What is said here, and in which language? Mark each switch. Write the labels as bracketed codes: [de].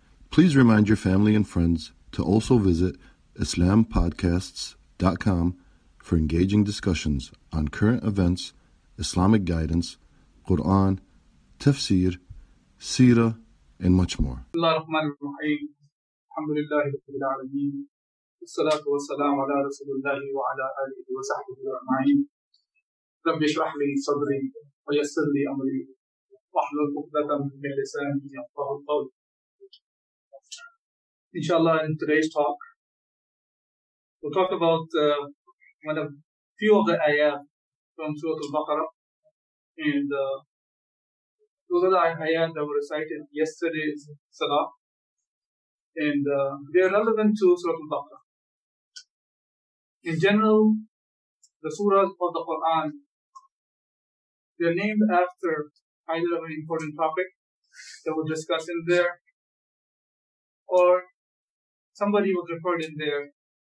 [en] Please remind your family and friends to also visit IslamPodcasts.com for engaging discussions on current events, Islamic guidance, Quran, tafsir, seerah, and much more. [ar] الحمد لله رب العالمين والصلاة والسلام على رسول الله وعلى آله وصحبه أجمعين رب اشرح لي صدري ويسر لي أمري واحلل عقدة من لساني يفقهوا القول إن شاء الله. [en] In today's talk we'll talk about one of few of the ayat from Surah Al-Baqarah, and those are the ayat that were recited yesterday's salah. And they are relevant to Surah Al-Baqarah. In general, the surahs of the Quran, they are named after either an important topic that we'll discuss in there, or somebody was referred in there.